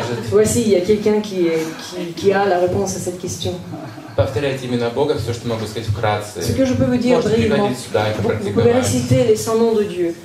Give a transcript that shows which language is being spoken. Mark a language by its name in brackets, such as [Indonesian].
[French] Voici, il y a quelqu'un qui a la réponse à cette question. [Russian] Повторять имена Бога, все, что могу сказать вкратце. [French] Ce que je peux vous dire brièvement. Vous pouvez réciter les 100 noms de Dieu.